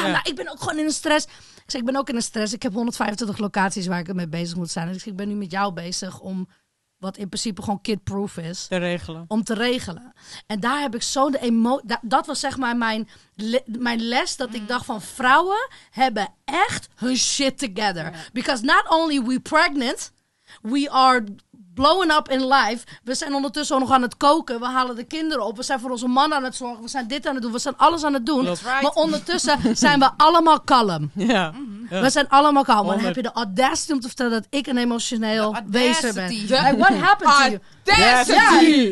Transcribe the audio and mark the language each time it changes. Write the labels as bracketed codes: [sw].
[nl] Ja, nou, ik ben ook gewoon in een stress. Ik zeg, ik ben ook in een stress. Ik heb 125 locaties waar ik mee bezig moet zijn. Dus ik ben nu met jou bezig om, wat in principe gewoon kidproof is, te regelen. Om te regelen. En daar heb ik zo de emotie. Dat was zeg maar mijn les. Dat ik dacht van, vrouwen hebben echt hun shit together. Yeah. [en] Because not only we pregnant, we are blowing up in life. [nl] We zijn ondertussen nog aan het koken. We halen de kinderen op. We zijn voor onze man aan het zorgen. We zijn dit aan het doen. We zijn alles aan het doen. Right. Maar ondertussen zijn we allemaal kalm. Yeah. We zijn allemaal kalm. Dan heb je de audacity om te vertellen dat ik een emotioneel wezen ben. [en] Like, what happened to you? Audacity!